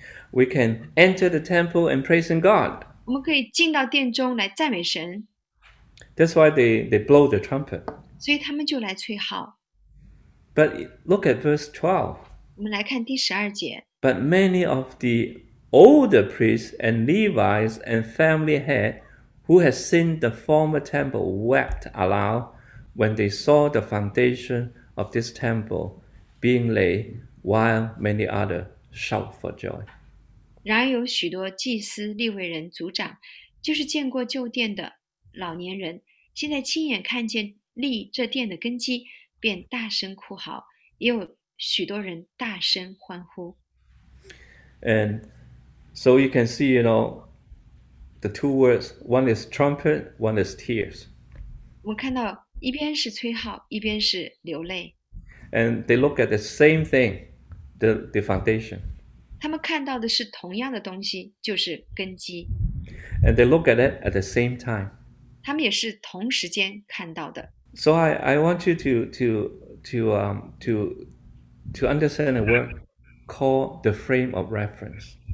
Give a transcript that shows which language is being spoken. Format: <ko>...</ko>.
<en>We can enter the temple and praise God.</en> <zh>我们可以进到殿中来赞美神。</zh> <en>That's why they blow the trumpet.</en> <zh>所以他们就来吹号。</zh> <en>But look at verse 12.</en> <zh>我们来看第十二节。</zh> <en>But many of the older priests and Levites and family head who had seen the former temple wept aloud when they saw the foundation of this temple being laid, while many others shout for joy.</en> <zh>然而有许多祭司、利未人、族长，就是见过旧殿的老年人，现在亲眼看见立这殿的根基，便大声哭嚎，也有许多人大声欢呼。</zh> <en>And so you can see, the two words, one is trumpet, one is tears.</en> <zh>我看到一边是吹号，一边是流泪。</zh> <en>And they look at the same thing, the foundation.</en> <zh>他们看到的是同样的东西，就是根基。</zh> <en>And they look at it at the same time.</en> <zh>他们也是同时间看到的。</zh> <en>So I want you to understand a word called the frame of reference.</en>